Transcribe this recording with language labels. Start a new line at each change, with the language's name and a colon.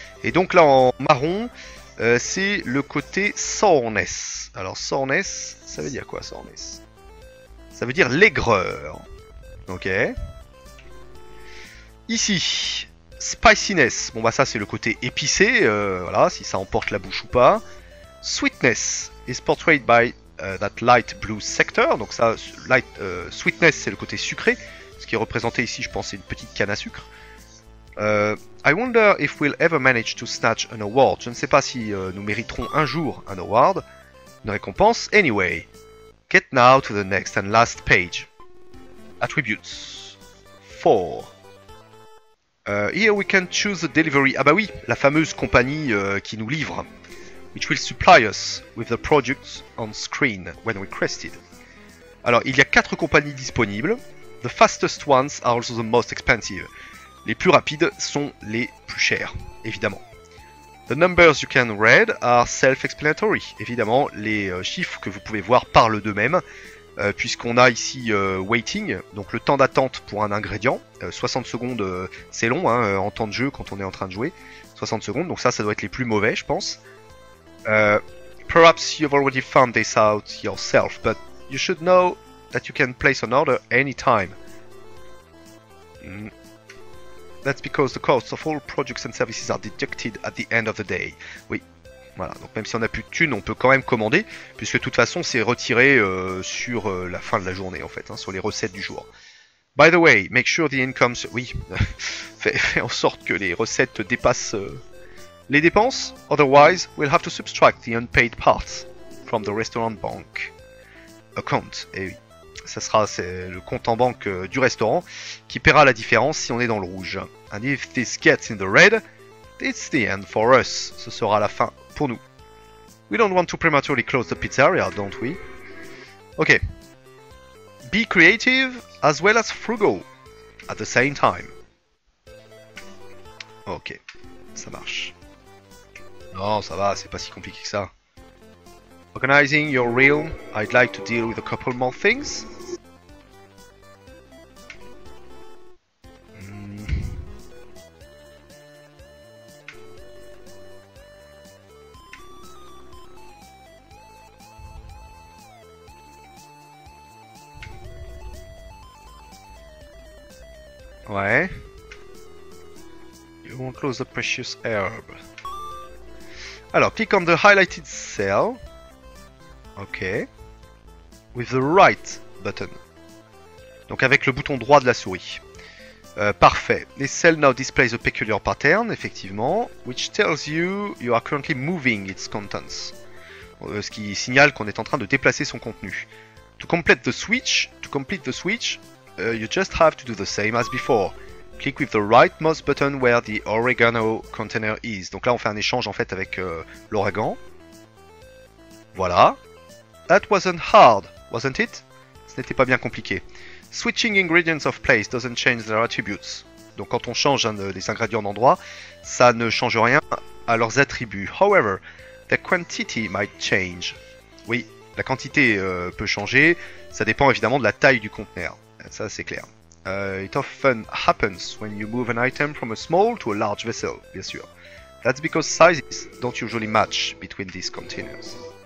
French: Et donc là, en marron, c'est le côté sourness. Alors, sourness, ça veut dire quoi, sourness? Ça veut dire l'aigreur. Ok. Ici, spiciness. Bon, bah ça, c'est le côté épicé. Voilà, si ça emporte la bouche ou pas.
English: Sweetness is portrayed by that light blue sector.
French: Donc ça, sweetness, c'est le côté sucré. Ce qui est représenté ici, je pense, c'est une petite canne à sucre.
English: I wonder if we'll ever manage to snatch an award.
French: Je ne sais pas si nous mériterons un jour un award, une récompense.
English: Anyway, get now to the next and last page. Attributes. 4. Here we can choose the delivery.
French: Ah bah oui, la fameuse compagnie qui nous livre.
English: Which will supply us with the products on screen when requested.
French: Alors, il y a 4 compagnies disponibles.
English: The fastest ones are also the most expensive.
French: Les plus rapides sont les plus chers, évidemment.
English: The numbers you can read are self-explanatory.
French: Évidemment, les chiffres que vous pouvez voir parlent d'eux-mêmes, puisqu'on a ici waiting, donc le temps d'attente pour un ingrédient. 60 secondes, c'est long, hein, en temps de jeu, quand on est en train de jouer. 60 secondes, donc ça doit être les plus mauvais, je pense.
English: Perhaps you've already found this out yourself, but you should know... That you can place an order anytime. That's because the costs of all products and services are deducted at the end of the day.
French: Oui, voilà. Donc même si on n'a plus de thunes, on peut quand même commander, puisque de toute façon, c'est retiré sur la fin de la journée, en fait, hein, sur les recettes du jour.
English: By the way, make sure the incomes...
French: Oui, fais en sorte que les recettes dépassent les dépenses.
English: Otherwise, we'll have to subtract the unpaid parts from the restaurant bank account.
French: Et oui. Ça sera le compte en banque du restaurant qui paiera la différence si on est dans le rouge.
English: And if this gets in the red, it's the end for us.
French: Ce sera la fin pour nous.
English: We don't want to prematurely close the pizzeria, don't we? Ok. Be creative as well as frugal at the same time.
French: Ok. Ça marche. Non, ça va, c'est pas si compliqué que ça.
English: Organizing your realm, I'd like to deal with a couple more things. Ouais. You won't close the precious herb. Alors, click on the highlighted cell. Ok. With the right button.
French: Donc avec le bouton droit de la souris.
English: Parfait. This cell now displays a peculiar pattern, effectivement. Which tells you you are currently moving its contents.
French: Ce qui signale qu'on est en train de déplacer son contenu.
English: To complete the switch... you just have to do the same as before. Click with the right mouse button where the oregano container is.
French: Donc là, on fait un échange en fait avec l'oregano. Voilà.
English: That wasn't hard, wasn't it?
French: Ce n'était pas bien compliqué.
English: Switching ingredients of place doesn't change their attributes.
French: Donc quand on change des ingrédients d'endroit, ça ne change rien à leurs attributs.
English: However, the quantity might change.
French: Oui, la quantité peut changer. Ça dépend évidemment de la taille du conteneur. Ça, c'est clair.
English: It often happens when you move an item from a small to a large vessel, bien sûr. That's because sizes don't usually match between these containers.